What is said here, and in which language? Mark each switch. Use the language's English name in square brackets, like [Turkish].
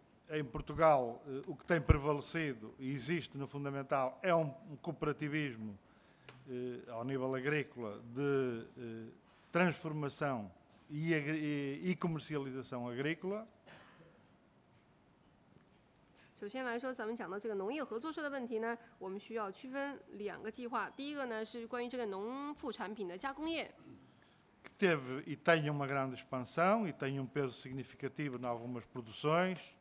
[Portuguese] Em Portugal, o que tem prevalecido e existe no fundamental é um cooperativismo, ao nível agrícola, de transformação e comercialização agrícola. [Chinese] 首先来说，咱们讲到这个农业合作社的问题呢，我们需要区分两个计划。第一个呢是关于这个农副产品的加工业。 [Portuguese] Que teve e tem uma grande expansão e tem peso significativo em algumas produções.